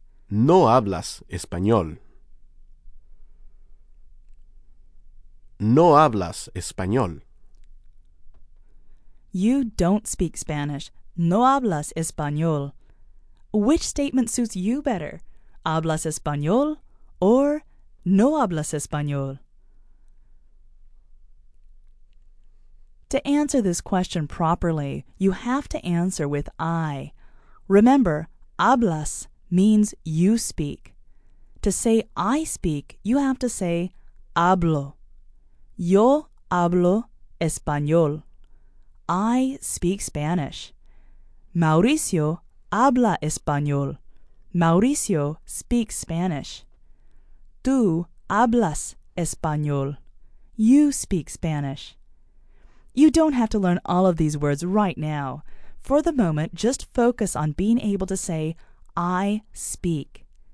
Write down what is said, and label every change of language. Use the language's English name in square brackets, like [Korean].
[Spanish] No hablas español. No hablas español. [English] You don't speak Spanish. [Spanish] No hablas español. [English] Which statement suits you better? [Spanish] ¿Hablas español or no hablas español? [English] To answer this question properly, you have to answer with I. Remember, hablas means you speak. To say I speak, you have to say hablo. [Spanish] Yo hablo español. [English] I speak Spanish. [Spanish] Mauricio habla español. [English] Mauricio speaks Spanish. [Spanish] Tú hablas español. [English] You speak Spanish. You don't have to learn all of these words right now. For the moment, just focus on being able to say, I speak.